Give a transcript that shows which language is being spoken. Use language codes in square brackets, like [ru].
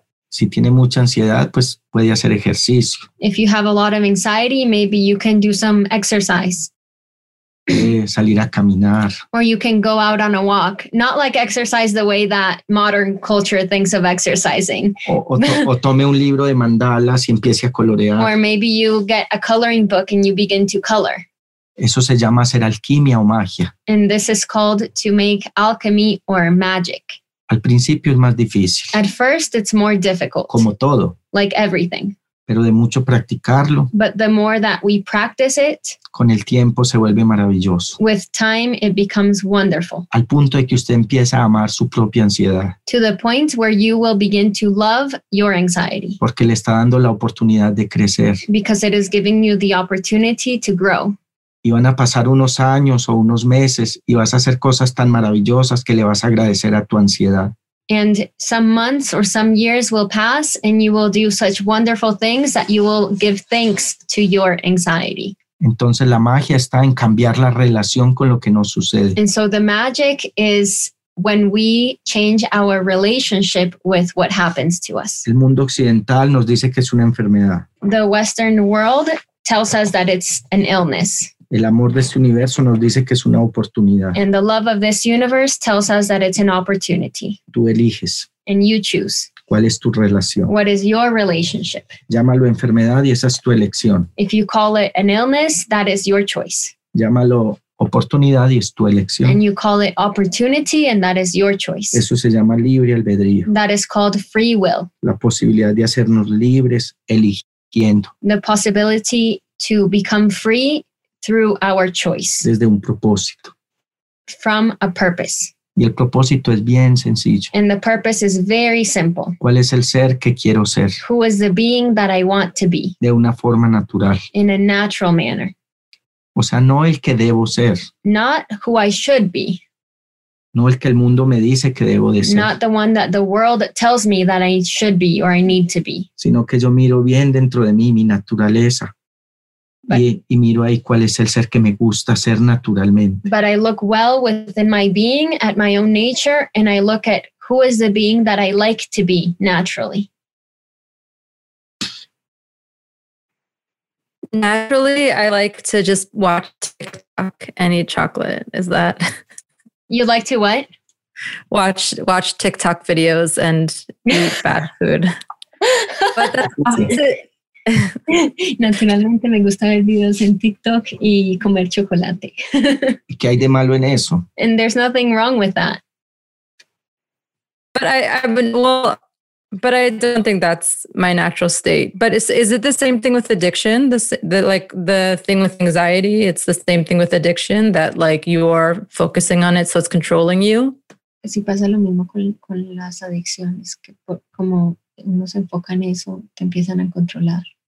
[es] Si tiene mucha ansiedad, pues puede hacer ejercicio. [en] If you have a lot of anxiety, maybe you can do some exercise. [es] Salir a caminar. [en] Or you can go out on a walk. Not like exercise the way that modern culture thinks of exercising. [es] O tome un libro de mandalas y empiece a colorear. [en] Or maybe you get a coloring book and you begin to color. [es] Eso se llama hacer alquimia o magia. [en] And this is called to make alchemy or magic. [es] Al principio es más difícil. [en] At first it's more difficult. [es] Como todo. [en] Like everything. [es] Pero de mucho practicarlo. [en] But the more that we practice it. [es] Con el tiempo se vuelve maravilloso. [en] With time it becomes wonderful. [es] Al punto de que usted empieza a amar su propia ansiedad. [en] To the point where you will begin to love your anxiety. [es] Porque le está dando la oportunidad de crecer. [en] Because it is giving you the opportunity to grow. [es] Y van a pasar unos años o unos meses y vas a hacer cosas tan maravillosas que le vas a agradecer a tu ansiedad. [en] And some months or some years will pass and you will do such wonderful things that you will give thanks to your anxiety. [es] Entonces la magia está en cambiar la relación con lo que nos sucede. [en] And so the magic is when we change our relationship with what happens to us. [es] El mundo occidental nos dice que es una enfermedad. [en] The Western world tells us that it's an illness. [es] El amor de este universo nos dice que es una oportunidad. [en] And the love of this universe tells us that it's an opportunity. [es] Tú eliges. [en] And you choose. [es] ¿Cuál es tu relación? [en] What is your relationship? [es] Llámalo enfermedad y esa es tu elección. [en] If you call it an illness, that is your choice. [es] Llámalo oportunidad y es tu elección. [en] And you call it opportunity and that is your choice. [es] Eso se llama libre albedrío. [en] That is called free will. [es] La posibilidad de hacernos libres eligiendo. [en] The possibility to become free through our choice. [es] Desde un propósito. [en] From a purpose. [es] Y el propósito es bien sencillo. [en] And the purpose is very simple. [es] ¿Cuál es el ser que quiero ser? [en] Who is the being that I want to be? [es] De una forma natural. [en] In a natural manner. [es] O sea, no el que debo ser. [en] Not who I should be. [es] No el que el mundo me dice que debo de ser. [en] Not the one that the world tells me that I should be or I need to be. [es] Sino que yo miro bien dentro de mí, mi naturaleza. Y miro ahí cuál es el ser que me gusta ser naturalmente. [en] But I look well within my being at my own nature and I look at who is the being that I like to be naturally. Naturally, I like to just watch TikTok and eat chocolate. Is that... You like to what? Watch TikTok videos and eat bad food. But that's opposite... [es] Naturalmente me gusta ver videos en TikTok y comer chocolate. ¿Qué hay de malo en eso? [en] And there's nothing wrong with that. But I don't think that's my natural state. But is it the same thing with addiction? The thing with anxiety, it's the same thing with addiction that like you're focusing on it, so it's controlling you. [es] Sí, pasa lo mismo con las adicciones, que como uno se enfoca en eso, te empiezan a controlar.